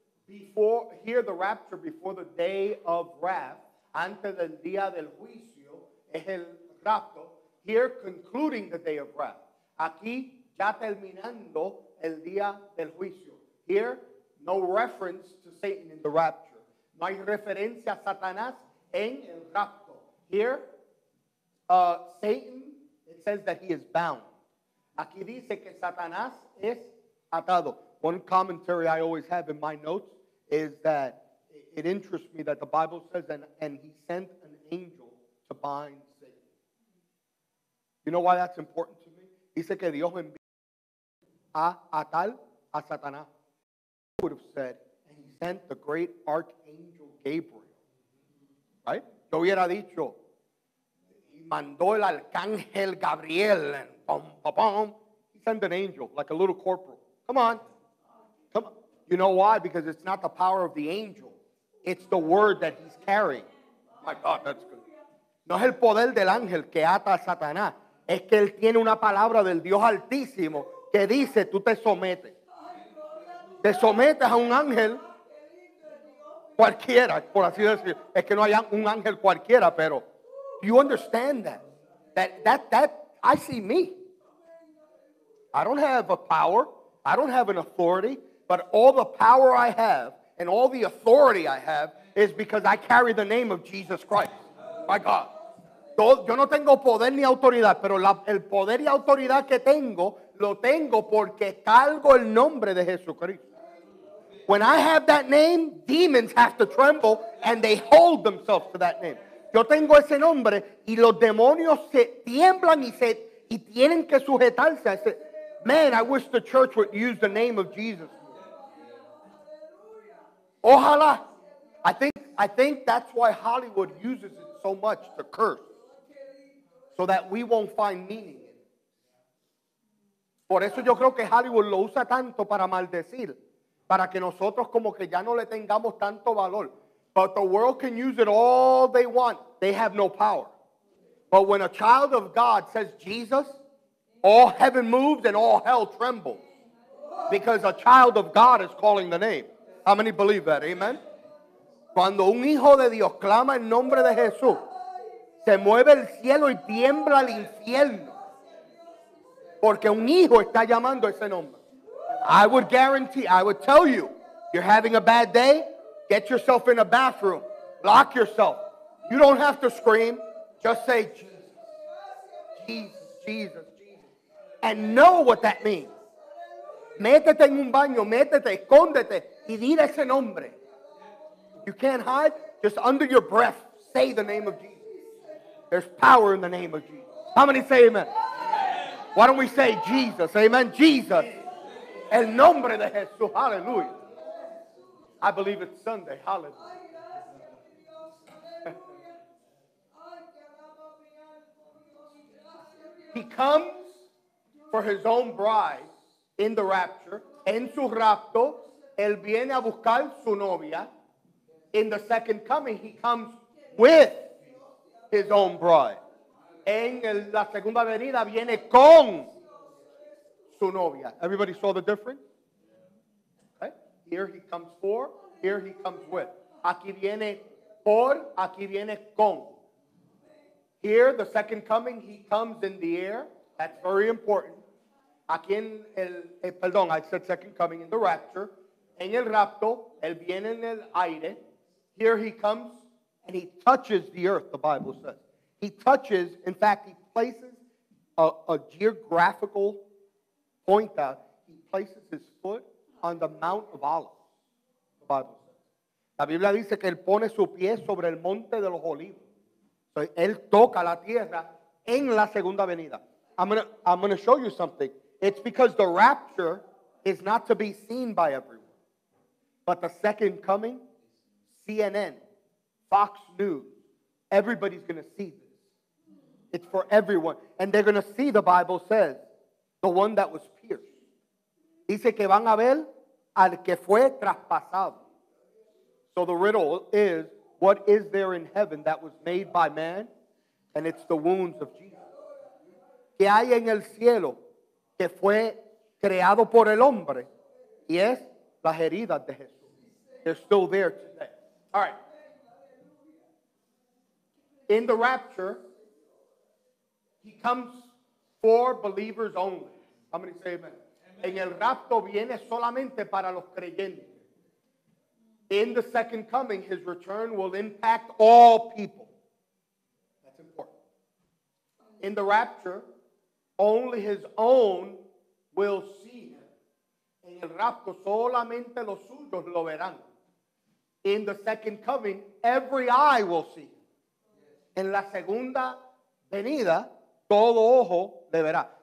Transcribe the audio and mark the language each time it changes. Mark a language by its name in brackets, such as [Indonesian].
[English] Before, here, the rapture before the day of wrath, [Spanish] antes del día del juicio, es el rapto. [English] Here, concluding the day of wrath. [Spanish] Aquí, ya terminando el día del juicio. [English] Here, no reference to Satan in the rapture. [Spanish] No hay referencia a Satanás en el rapto. [English] Here, Satan, it says that he is bound. [Spanish] Aquí dice que Satanás es atado. [English] One commentary I always have in my notes is that it interests me that the Bible says and he sent an angel to bind Satan. You know why that's important to me? [Spanish] Dice que Dios envió a Satanás. [English] I would have said, and he sent the great archangel Gabriel. Right? [Spanish] Yo hubiera dicho, mandó el arcángel Gabriel, [English] and boom, boom, boom. He sent an angel, like a little corporal. Come on. Come on. You know why? Because it's not the power of the angel. It's the word that he's carrying. My God, that's good. [Spanish] No es el poder del ángel que ata a Satanás. Es que él tiene una palabra del Dios Altísimo que dice, tú te sometes. Te sometes a un ángel cualquiera, por así decir. Es que no hay un ángel cualquiera, pero [English] you understand that. That I see me. I don't have a power. I don't have an authority. But all the power I have and all the authority I have is because I carry the name of Jesus Christ. My God. [Spanish] Yo no tengo poder ni autoridad, pero el poder y autoridad que tengo Lo tengo porque cargo el nombre de Jesucristo. [English] When I have that name, demons have to tremble and they hold themselves to that name. [Spanish] Yo tengo ese nombre y los demonios se tiemblan y tienen que sujetarse a ese. [English] Man, I wish the church would use the name of Jesus. [Spanish] Ojalá. [English] I think that's why Hollywood uses it so much to curse. So that we won't find meaning. [Spanish] Por eso yo creo que Hollywood lo usa tanto para maldecir. Para que nosotros como que ya no le tengamos tanto valor. [English] But the world can use it all they want. They have no power. But when a child of God says Jesus, all heaven moves and all hell trembles. Because a child of God is calling the name. How many believe that? Amen. [Spanish] Cuando un hijo de Dios clama el nombre de Jesús, se mueve el cielo y tiembla el infierno. Porque un hijo está llamando ese nombre. [English] I would guarantee, I would tell you, you're having a bad day, get yourself in a bathroom, lock yourself. You don't have to scream, just say Jesus, Jesus, Jesus, Jesus. And know what that means. [Spanish] Métete en un baño, métete, escóndete, y di ese nombre. [English] You can't hide, just under your breath, say the name of Jesus. There's power in the name of Jesus. How many say amen? Why don't we say Jesus, amen, Jesus. [Spanish] El nombre de Jesús, [English] hallelujah. I believe it's Sunday, hallelujah. He comes for his own bride in the rapture. [Spanish] En su rapto, él viene a buscar su novia. [English] In the second coming, he comes with his own bride. [Spanish] En la segunda venida, viene con su novia. [English] Everybody saw the difference? Okay. Here he comes for, here he comes with. [Spanish] Aquí viene por, aquí viene con. [English] Here, the second coming, he comes in the air. That's very important. [Spanish] Aquí en el, perdón, [English] I said second coming, in the rapture. [Spanish] En el rapto, él viene en el aire. [English] Here he comes and he touches the earth, the Bible says. He touches, in fact, he places a geographical point out, he places his foot on the Mount of Olives. The Bible says. [Spanish] La Biblia dice que él pone su pie sobre el monte de los olivos. So él toca la tierra en la segunda venida. [English] I'm gonna show you something. It's because the rapture is not to be seen by everyone. But the second coming, CNN, Fox News, everybody's going to see this. It's for everyone. And they're going to see, the Bible says, the one that was pierced. [Spanish] Dice que van a ver al que fue traspasado. [English] So the riddle is, what is there in heaven that was made by man? And it's the wounds of Jesus. [Spanish] ¿Qué hay en el cielo que fue creado por el hombre? Y es las heridas de Jesús. [English] They're still there today. All right. In the rapture, he comes for believers only. How many say amen? [Spanish] En el rapto viene solamente para los creyentes. [English] In the second coming, his return will impact all people. That's important. In the rapture, only his own will see him. [Spanish] En el rapto solamente los suyos lo verán. [English] In the second coming, every eye will see him. [Spanish] En la segunda venida, todo ojo le verá.